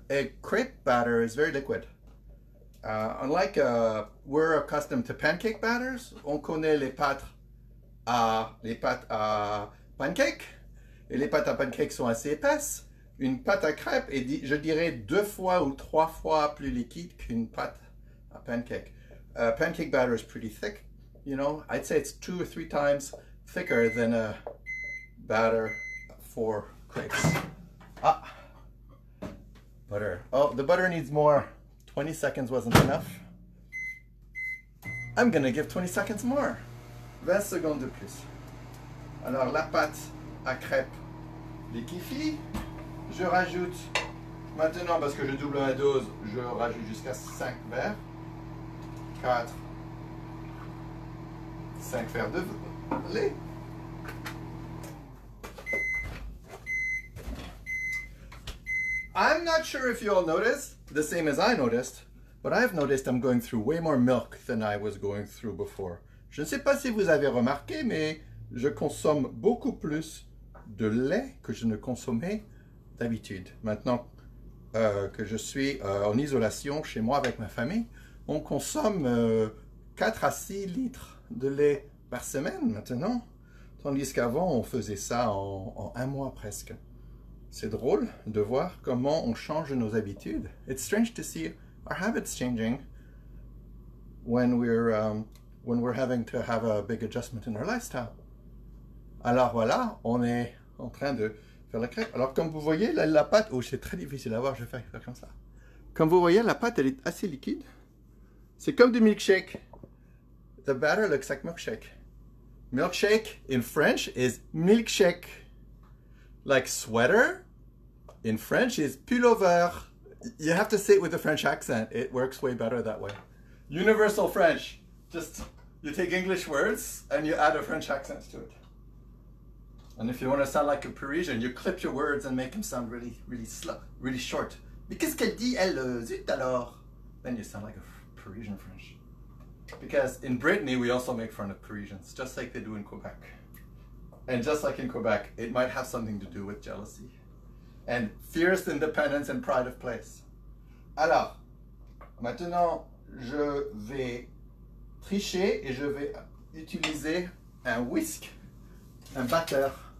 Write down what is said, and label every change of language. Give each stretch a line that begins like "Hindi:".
English: A crepe batter is very liquid. Unlike we're accustomed to pancake batters,
French: on connaît les pâtes à pancake. Et les pâtes à pancake sont assez épaisses. Une pâte à crêpe est, je dirais, 2 fois ou 3 fois plus liquide qu'une pâte à pancake.
English: Pancake batter is pretty thick. You know, I'd say it's 2 or 3 times thicker than a batter for crepes. Ah, butter. Oh, the butter needs more. 20 seconds wasn't enough. I'm gonna give 20 seconds more.
French: 20 secondes de plus. Alors, la pâte à crêpe liquifie. Je rajoute, maintenant, parce que je double ma dose, je rajoute jusqu'à 5 verres. 4. 5 verres de lait.
English: I'm not sure if you all noticed, the same as I noticed, but I've noticed I'm going through way more milk than I was going through before.
French: Je ne sais pas si vous avez remarqué, mais je consomme beaucoup plus de lait que je ne consommais d'habitude. Maintenant que je suis en isolation chez moi avec ma famille, on consomme 4 à 6 litres de lait par semaine maintenant, tandis qu'avant on faisait ça en un mois presque. C'est drôle de voir comment on change nos habitudes.
English: It's strange to see our habits changing when we're having to have a big adjustment in our lifestyle.
French: Alors voilà, on est en train de faire la crêpe. Alors comme vous voyez, la pâte, oh c'est très difficile à voir, je vais faire comme ça. Comme vous voyez, la pâte, elle est assez liquide. C'est comme du milkshake.
English: The batter looks like milkshake. Milkshake in French is milkshake. Like sweater in French is pullover. You have to say it with a French accent. It works way better that way. Universal French. Just, you take English words and you add a French accent to it. And if you want to sound like a Parisian, you clip your words and make them sound really, really slow, really short.
French: Mais qu'est-ce qu'elle dit, elle, zut alors?
English: Then you sound like a Parisian French. Because in Brittany, we also make fun of Parisians, just like they do in Quebec. And just like in Quebec, it might have something to do with jealousy. And fierce independence and pride of place.
French: Alors, maintenant, je vais tricher et je vais utiliser un whisk, un batteur.